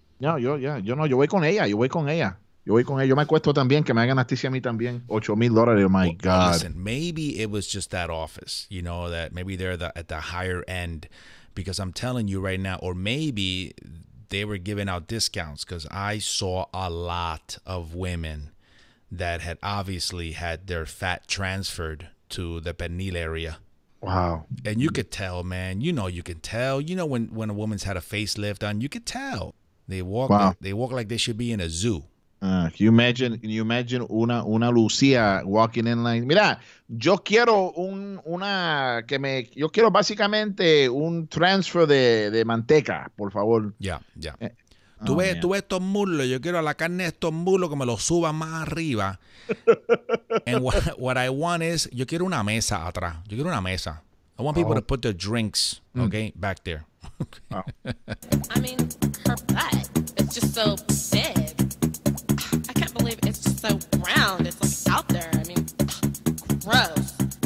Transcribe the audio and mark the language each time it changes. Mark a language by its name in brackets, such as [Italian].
[Spanish] No, yo voy con ella, Yo me acuesto también, que me haga anestesia a mí también. [English] $8,000, oh my God. Listen, maybe it was just that office, you know, that maybe they're at the higher end, because I'm telling you right now, or maybe they were giving out discounts, because I saw a lot of women that had obviously had their fat transferred to the penile area. Wow. And you could tell, man, you know, you can tell, you know, when a woman's had a facelift on, you could tell. They walk like they should be in a zoo. Can you imagine [Spanish] una Lucía [English] walking in like, [Spanish] mira, yo quiero yo quiero básicamente un transfer de manteca, por favor. Ya. Tú ves estos muslos, yo quiero la carne de estos muslos que me lo suba más arriba. [English] And what I want is, [Spanish] yo quiero una mesa atrás. Yo quiero una mesa. [English] I want people to put their drinks, okay, back there. Wow. I mean, her butt is just so big. I can't believe it's just so round. It's like out there. I mean, gross.